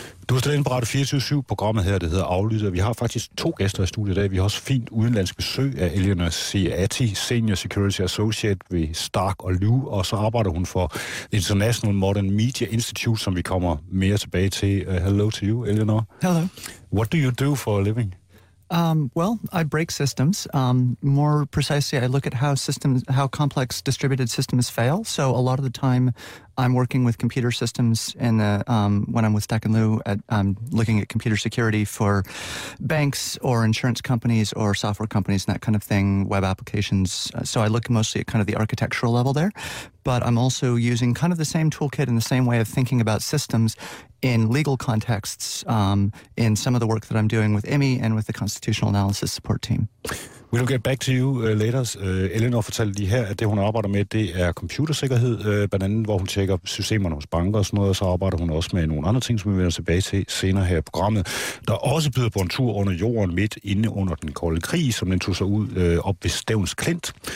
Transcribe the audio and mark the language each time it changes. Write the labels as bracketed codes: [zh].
[da] Du er stillet ind på Radio 24/7, programmet her, det hedder Aflyttet. Vi har faktisk to gæster i studiet i dag. Vi har også fint udenlandsk besøg af Eleanor Ciatti, Senior Security Associate ved Stark & Liu, og så arbejder hun for International Modern Media Institute, som vi kommer mere tilbage til. [en] Hello to you, Eleanor. Hello. What do you do for a living? Well, I break systems. More precisely, I look at how complex distributed systems fail. So a lot of the time, I'm working with computer systems in the when I'm with Stack & Liu, I'm looking at computer security for banks or insurance companies or software companies and that kind of thing, web applications. So I look mostly at kind of the architectural level there. But I'm also using kind of the same toolkit and the same way of thinking about systems in legal contexts in some of the work that I'm doing with Emmy and with the Constitutional Analysis Support Team. We'll get back to you later. [da] Eleanor fortalte lige her, at det, hun arbejder med, det er computersikkerhed, blandt andet, hvor hun tjekker systemerne hos banker og sådan noget, og så arbejder hun også med nogle andre ting, som vi vender tilbage til senere her i programmet, der også byder på en tur under jorden midt inde under den kolde krig, som den tog sig ud op ved Stevns Klint.